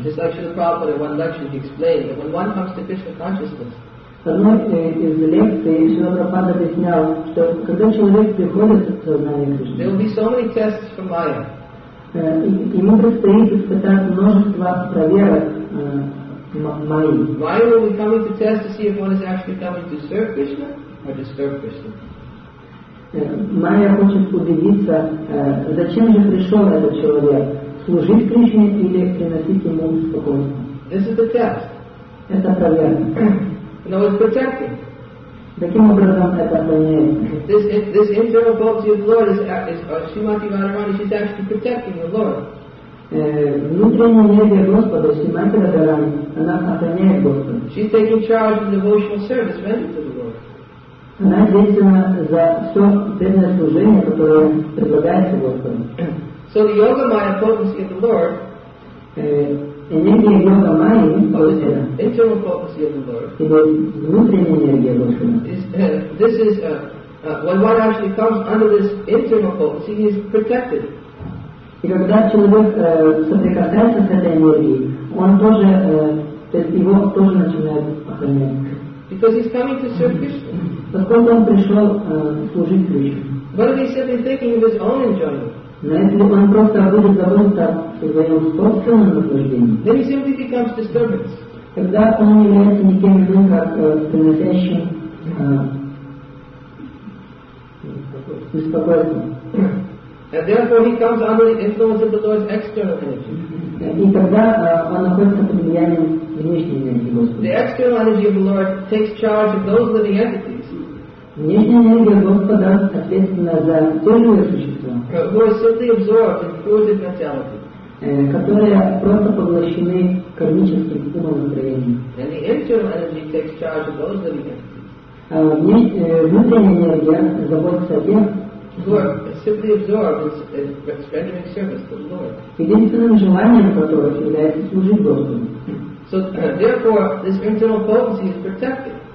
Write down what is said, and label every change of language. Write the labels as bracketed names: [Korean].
[English] Just like Srila Prabhupada in one lecture he explained that when one comes to Krishna consciousness. [Russian] В одной из лекций Шрила Прабхупада объяснял, что когда человек приходит в сознание Кришны, [English] there will be so many tests from Maya. [Russian] Ему предстоит испытать множество проверок Майи. [English] Why will we come to test to see if one is actually coming to serve Krishna or disturb Krishna? [Russian] Майя хочет убедиться, зачем же пришел этот человек, служить Кришне или приносить ему спокойствие. [English] This is the test. [Russian] Это проверка. [English] No, it's protecting. [Russian] Таким образом, это проверяет. [English] This internal potency of the Lord is Srimati Radharani, she's actually protecting the Lord. [Russian] Внутренняя энергия Господа, Шримати Радхарани, она охраняет Господа. [English] She's taking charge of devotional service rendered to the Lord. [Russian] Она ответственна за все преданное служение, которое предлагается Господу. [English] So the yoga maya potency of the Lord, [Russian] энергия йога майи, [English] internal potency of the Lord, [Russian] это внутренняя энергия Господа. [English] This is when one actually comes under this internal potency, he is protected. [Russian] И когда человек соприкасается с этой энергией, он тоже, то есть его тоже начинает охранять. [English] Because he's coming to serve Krishna. [Russian] Поскольку он пришел служить Кришне. [English] But if he's simply thinking of his own enjoyment. [Russian] Но если он просто будет забыться о своем собственном наслаждении, [English] then he simply becomes disturbance. [Russian] Тогда он не является никем иным, как приносящим беспокойство. [English] And therefore he comes under the influence of the Lord's external energy. [Russian] И тогда он находится под влиянием внешней энергии Господа. [English] The external energy of the Lord takes charge of those living entities. [Russian] Внешняя энергия Господа ответственна за все живые существа, [English] who are simply absorbed in causative mentality. [Russian] Которые просто поглощены кармическим умом настроения. [English] And the internal energy takes charge of those living entities. [Russian] Внутренняя энергия заботится о тех, [English] who are simply absorbed in rendering service to the Lord. So therefore, this internal potency is protected.